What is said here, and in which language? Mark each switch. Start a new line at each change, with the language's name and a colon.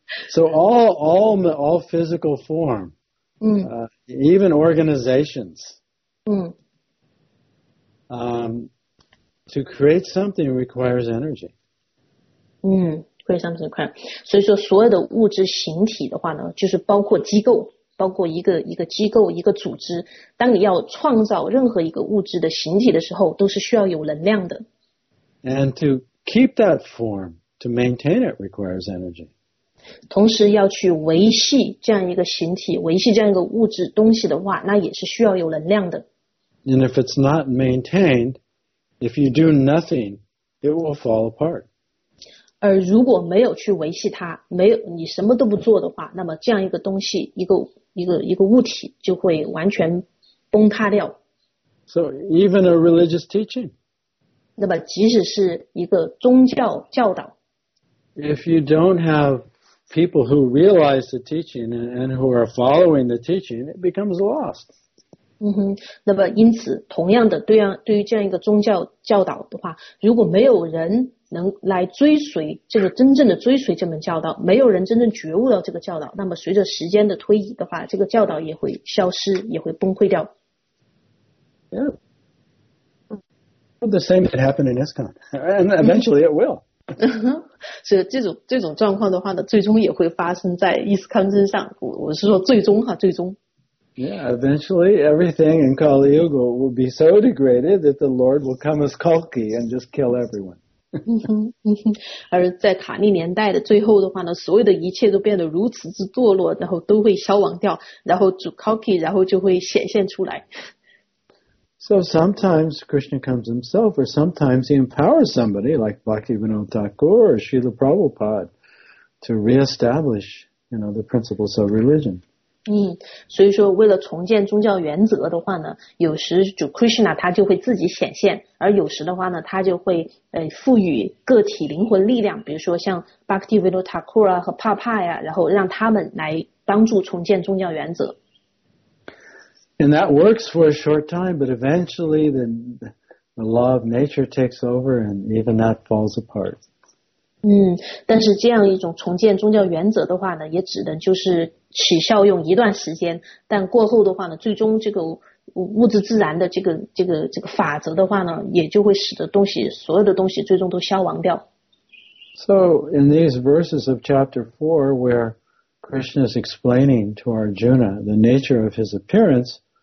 English: So all physical form, even organizations, to create something requires energy. create something requires.
Chinese: 所以说所有的物质形体的话呢，就是包括机构，包括一个机构，一个组织，当你要创造任何一个物质的形体的时候，都是需要有能量的。
English: And to,Keep that form, to maintain it requires energy.
Chinese: 同时要去维系这样一个形体，维系这样一个物质东西的话，那也是需要有能量的。
English: And if it's not maintained, if you do nothing, it will fall apart.
Chinese: 而如果没有去维系它，没有你什么都不做的话，那么这样一个东西，一个物体就会完全崩塌掉。
English: So even a religious teaching.
Chinese: 那么即使是一个宗教教导
English: If you don't have people who realize the teaching and who are following the teaching, it becomes lost.
Chinese: 那么因此同样的对于这样一个宗教教导的话，如果没有人能来追随这个真正的追随这门教导，没有人真正觉悟到这个教导，那么随着时间的推移的话，这个教导也会消失，也会崩溃掉。
English: The same that happened in ISKCON, and eventually it will.
Chinese: 是这种状况的话呢，最终也会发生在 ISKCON 身上。我是说最终哈，最终。
English: Yeah, eventually everything in Kali Yuga will be so degraded that the Lord will come as Kalki and just kill everyone.
Chinese: 而在卡利年代的最后的话呢，所有的一切都变得如此之堕落，然后都会消亡掉，然后主 Kalki 然后就会显现出来。
English: So sometimes Krishna comes himself, or sometimes he empowers somebody like Bhaktivinoda Thakur or Srila Prabhupada to reestablish, you know, the principles of religion.
Chinese: 所以说为了重建宗教原则的话呢，有时主 Krishna 他就会自己显现，而有时的话呢，他就会赋予个体灵魂力量，比如说像 Bhaktivinoda Thakur 啊和 Papa 呀，然后让他们来帮助重建宗教原则。
English: And that works for a short time, but eventually the law of nature takes over and even that falls apart.
Chinese: 但是这样一种重建宗教原则的话呢，也只能就是起效用一段时间，但过后的话呢，最终这个物质自然的这个法则的话呢，也就会使得东西，所有的东西最终都消亡掉。
English: So in these verses of chapter 4 where Krishna is explaining to Arjuna the nature of his appearance.